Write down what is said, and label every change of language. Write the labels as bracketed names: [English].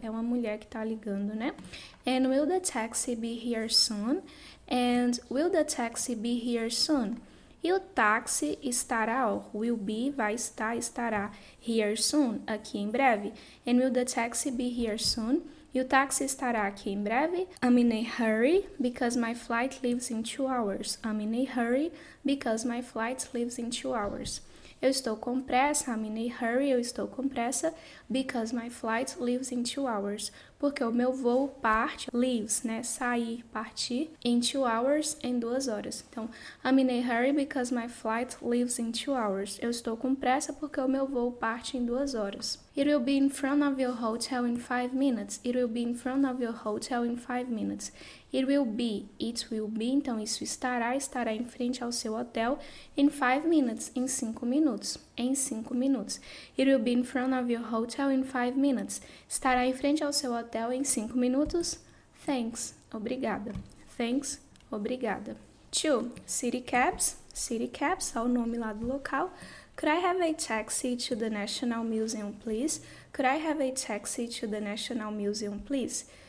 [Portuguese] É uma mulher que tá ligando, né? [English] And will the taxi be here soon? And will the taxi be here soon? [Portuguese] E o táxi estará, ó, will be, vai estar, estará, here soon, aqui em breve. [English] And will the taxi be here soon? [Portuguese] E o táxi estará aqui em breve. [English] I'm in a hurry because my flight leaves in 2 hours. I'm in a hurry because my flight leaves in 2 hours. [Portuguese] Eu estou com pressa, [English] I'm in a hurry, [Portuguese] eu estou com pressa, [English] because my flight leaves in 2 hours. [Portuguese] Porque o meu voo parte, leaves, né, sair, partir, in 2 hours, em 2 horas. Então, [English] I'm in a hurry because my flight leaves in 2 hours. [Portuguese] Eu estou com pressa porque o meu voo parte em 2 horas. [English] It will be in front of your hotel in 5 minutes. It will be in front of your hotel in 5 minutes. It will be, [Portuguese] então isso estará em frente ao seu hotel in 5 minutes, em 5 minutos, em 5 minutes. [English] It will be in front of your hotel in 5 minutes. [Portuguese] Estará em frente ao seu hotel em 5 minutos. Thanks, obrigada. Thanks, obrigada. 2, city cabs. City cabs, olha o nome lá do local. [English] Could I have a taxi to the National Museum, please? Could I have a taxi to the National Museum, please?